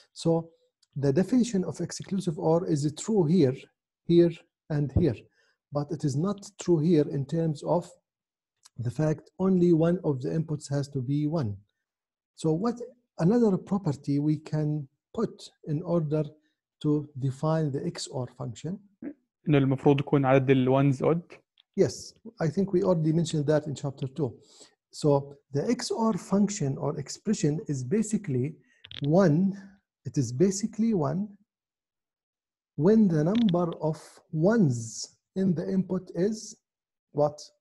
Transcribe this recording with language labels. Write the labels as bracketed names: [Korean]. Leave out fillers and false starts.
[English] So the definition of exclusive OR is true here, here, and here. But it is not true here in terms of the fact only one of the inputs has to be one. So what another property we can put in order to define the XOR function? [Arabic] المفروض يكون عدد ال [English] ones odd. Yes, I think we already mentioned that in chapter 2. So the XOR function or expression is basically one. It is basically one when the number of ones in the input is what?